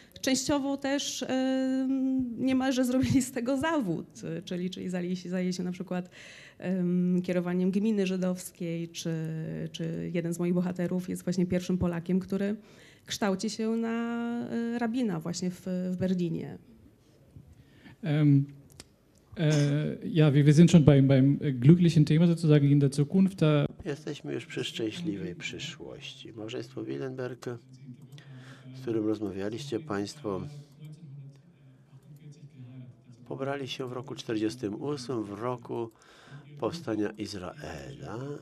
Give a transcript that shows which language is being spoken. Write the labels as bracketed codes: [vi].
[pl] Częściowo też niemalże zrobili z tego zawód, czyli zajęli się na przykład kierowaniem gminy żydowskiej, czy jeden z moich bohaterów jest właśnie pierwszym Polakiem, który kształci się na rabina właśnie w Berlinie. [de] Ja, wir sind schon beim glücklichen Thema sozusagen in der Zukunft. [pl] Jesteśmy już przy szczęśliwej przyszłości. Małżeństwo Wildenberg, z którym rozmawialiście Państwo, pobrali się w roku 1948, w roku powstania Izraela.